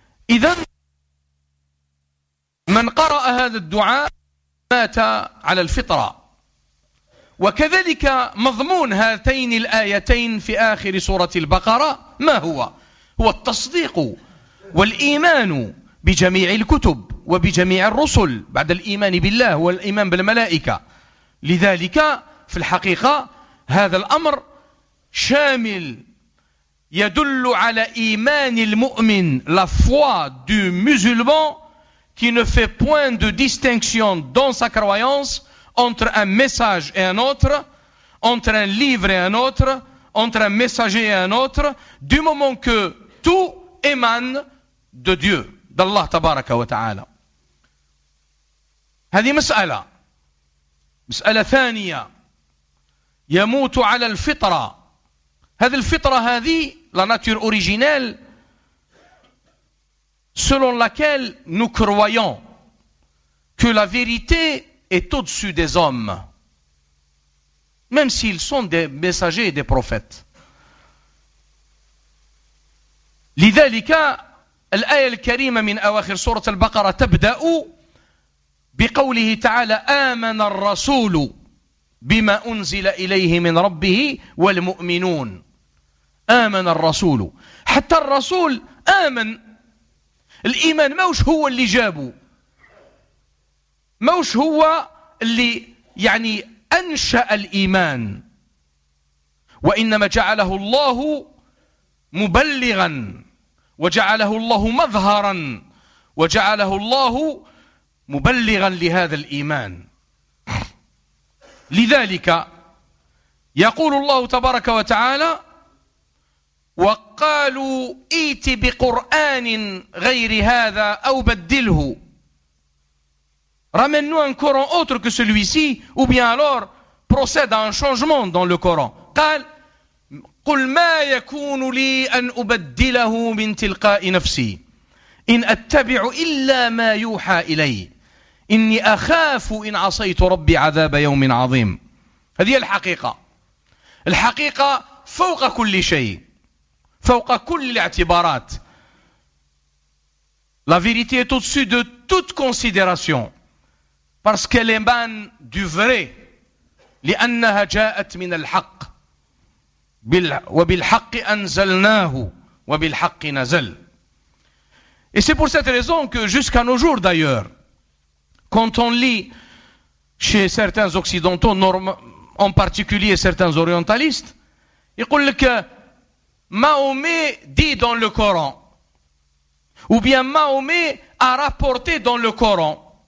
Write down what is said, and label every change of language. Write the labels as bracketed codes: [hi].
[ar] إذن من قرأ هذا الدعاء مات على الفطرة. وكذلك مضمون هاتين الآيتين في آخر سورة البقرة ما هو؟ هو التصديق والإيمان بجميع الكتب وبجميع الرسل بعد الإيمان بالله والإيمان بالملائكة. لذلك في الحقيقة هذا الأمر شامل، يدل على إيمان المؤمن، [fr] la foi du musulman qui ne fait point de distinction dans sa croyance entre un message et un autre, entre un livre et un autre, entre un messager et un autre, du moment que tout émane de Dieu, d'Allah tabaraka wa ta'ala. [ar] هذه مسألة. مسألة ثانية. يموت على الفطرة. هذه الفطرة، هذه [fr] la nature originelle selon laquelle nous croyons que la vérité est au-dessus des hommes, même s'ils sont des messagers et des prophètes. [ar] لذلك الآية الكريمة من أواخر سورة البقرة تبدأ بقوله تعالى آمن الرسول بما أنزل إليه من ربه والمؤمنون. آمن الرسول، حتى الرسول آمن. الإيمان ماوش هو اللي جابه، ماوش هو اللي يعني أنشأ الإيمان، وإنما جعله الله مبلغا، وجعله الله مظهرا، وجعله الله مبلغا لهذا الإيمان. لذلك يقول الله تبارك وتعالى وقالوا ائت بقرآن غير هذا أو بدله. [fr] Ramène-nous un Coran autre que celui-ci ou bien alors procède à un changement dans le Coran. [ar] قال قل ما يكون لي أن أبدله من تلقاء نفسي إن أتبع إلا ما يوحى إلي إني أخاف إن عصيت ربي عذاب يوم عظيم. هذه الحقيقة، الحقيقة فوق كل شيء، فوق كل الاعتبارات. [fr] La vérité est au-dessus de toute considération. parce qu'elle émane du vrai. [ar] لأنها جاءت من الحق وبالحق أنزلناه وبالحق نزل. [fr] Et c'est pour cette raison que jusqu'à nos jours d'ailleurs, quand on lit chez certains occidentaux, en particulier certains orientalistes, il dit que Mahomet dit dans le Coran, ou bien Mahomet a rapporté dans le Coran.